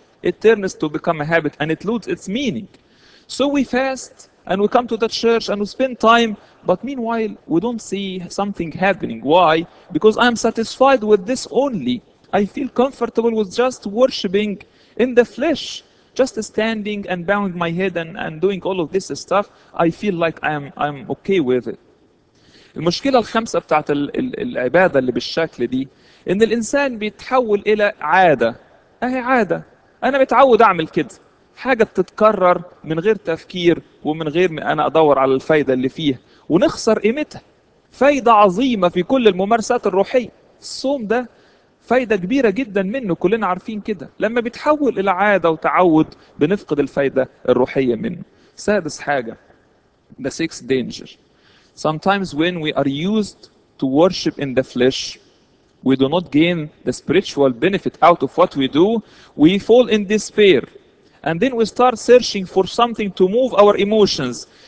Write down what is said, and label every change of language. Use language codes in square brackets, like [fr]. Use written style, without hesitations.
[en] It turns to become a habit and it loses its meaning. So we fast and we come to the church and we spend time, but meanwhile we don't see something happening. Why? Because I'm satisfied with this only. I feel comfortable with just worshiping in the flesh, just standing and bowing my head and doing all of this stuff. I feel like I'm okay with it. [ar] المشكلة الخامسة بتاعت العبادة اللي بالشكل دي، ان الانسان بيتحول الى عادة. اهي عادة، انا متعود اعمل كده، حاجة بتتكرر من غير تفكير ومن غير ما أنا أدور على الفايدة اللي فيه، ونخسر قيمتها. فايدة عظيمة في كل الممارسات الروحية. الصوم ده فايدة كبيرة جدا منه، كلنا عارفين كده. لما بيتحول إلى عادة وتعود بنفقد الفايدة الروحية منه. سادس حاجة، [en] the sixth danger. Sometimes when we are used to worship in the flesh, we do not gain the spiritual benefit out of what we do, we fall in despair. And then we start searching for something to move our emotions.